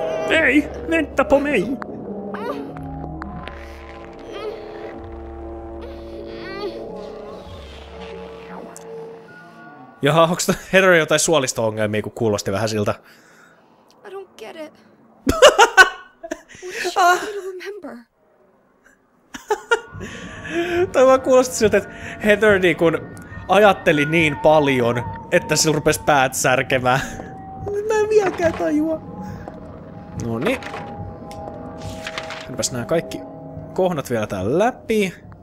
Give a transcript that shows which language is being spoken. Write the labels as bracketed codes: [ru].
[fi] Ei, mentä pomei! Jaha, onks Heather jotain suolisto-ongelmia, kun kuulosti vähän siltä? [en] I don't get it. What is she going to remember? [fi] Toi vaan kuulosti siltä, että Heather niin ajatteli niin paljon, että sillä rupes päät särkemään. Mä en vieläkään tajua. Noni. Hänpäs nää kaikki kohdat vielä tää läpi.